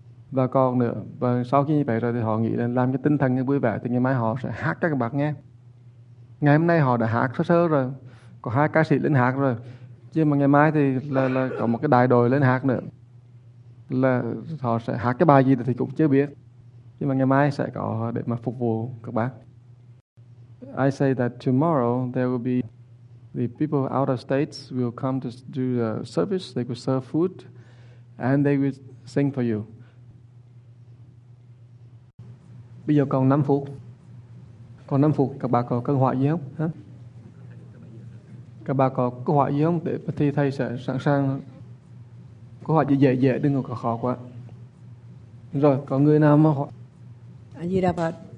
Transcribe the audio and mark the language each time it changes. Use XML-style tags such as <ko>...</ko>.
<vi>Và còn nữa, và sau khi như vậy rồi thì họ nghĩ là làm cho tinh thần vui vẻ, thì ngày mai họ sẽ hát cho các bạn nghe. Ngày hôm nay họ đã hát sơ sơ rồi, có hai ca sĩ lên hát rồi, nhưng mà ngày mai thì là có một cái đại đội lên hát nữa, là họ sẽ hát cái bài gì thì cũng chưa biết, nhưng mà ngày mai sẽ có để mà phục vụ các bạn.</vi> <en>I say that tomorrow there will be the people out of states will come to do the service. They will serve food and they will sing for you.</en> <vi>Bây giờ còn 5 phút. Còn 5 phút, các bạn có câu hỏi gì không? Hả? Các bạn có câu hỏi gì không? Để thi thầy sẽ sẵn sàng. Câu hỏi gì dễ dễ, đừng có khó quá. Rồi, có người nào mà hỏi? A Di Đà Phật.</vi>